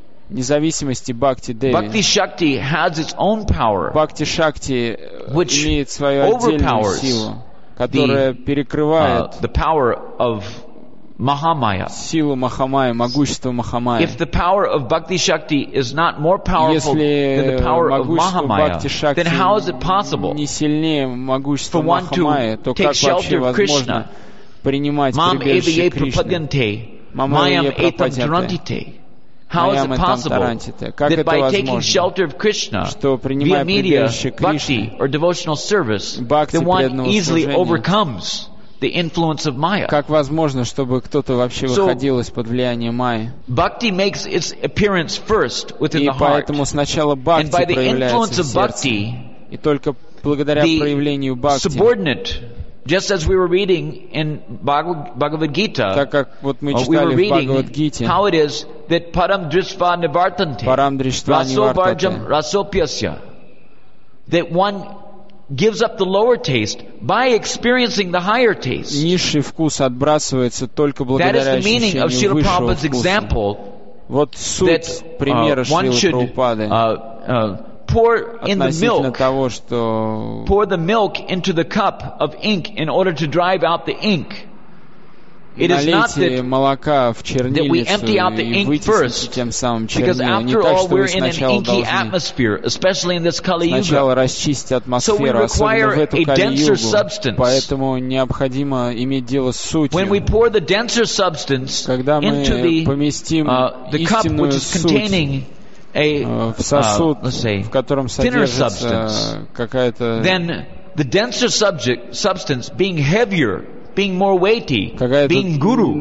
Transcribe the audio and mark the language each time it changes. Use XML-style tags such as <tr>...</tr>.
<ru>Независимости Бхакти Деви.</ru> <en>Bhakti Shakti has its own power,</en> <ru>Bhakti Shakti имеет свою отдельную силу, которая перекрывает</ru> <en>the power of Mahamaya.</en> <ru>Силу Махамая, могущество Махамая.</ru> <en>If the power of Bhakti Shakti is not more powerful than the power of Mahamaya, then how is it possible</en> <ru>не сильнее могущества Махамая, то как вообще возможно принимать прибежище Кришны?</ru> <sa>Mamayam etam durantite.</sa> <en>How is it possible that by taking shelter of Krishna via media, bhakti, or devotional service, then one easily overcomes the influence of Maya?</en> <ru>Как возможно, чтобы кто-то вообще выходил из-под влияния Майи?</ru> <en>Bhakti makes its appearance first within the heart.</en> <ru>И поэтому сначала бхакти проявляется в сердце.</ru> <en>And by the influence of bhakti,</en> <ru>и только благодаря проявлению бхакти,</ru> <en>subordinate. Just as we were reading in Bhagavad Gita, we were reading how it is that</en> <sa>param drishva nivartante, raso varjam rasopyasya,</sa> <en>that one gives up the lower taste by experiencing the higher taste.</en> <ru>Низший вкус отбрасывается только благодаря ощущению высшего вкуса.</ru> <en>That is the meaning of Srila Prabhupada's example that one should pour in the milk.</en> <ru>Того, что</ru> <en>pour the milk into the cup of ink in order to drive out the ink. It is not that we empty out the ink first,</en> <ru>тем самым</ru> <en>because after</en> <ru>так,</ru> <en>all we're in an inky atmosphere, especially in this Kali Yuga. So we require a denser substance. When we pour the denser substance into the cup which is containing</en> <ru>в котором содержится какая-то</ru> <en>then the denser substance being heavier, being more weighty, being guru,</en>